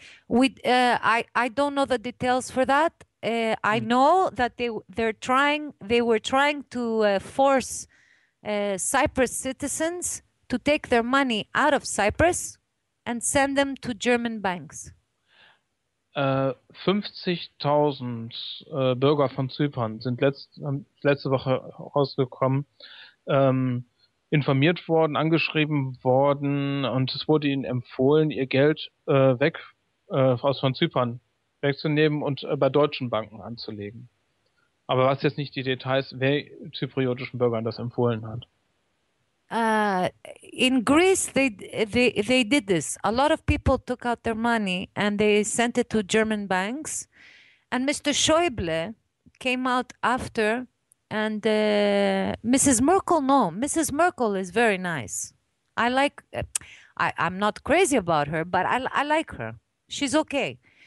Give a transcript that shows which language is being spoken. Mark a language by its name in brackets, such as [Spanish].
[English] I don't know the details for that. I know that they were trying to force Cyprus citizens to take their money out of Cyprus and send them to German banks. [German] 50,000 Bürger von Zypern sind letzte Woche rausgekommen, informiert worden, angeschrieben worden, und es wurde ihnen empfohlen, ihr Geld weg aus von Zypern wegzunehmen und bei deutschen Banken anzulegen. Aber was jetzt nicht die Details, wer zypriotischen Bürgern das empfohlen hat. [English] In Greece they did this. A lot of people took out their money and they sent it to German banks. And Mr. Schäuble came out after, and Mrs. Merkel, no, Mrs. Merkel is very nice. I like, I'm not crazy about her, but I like her. She's okay.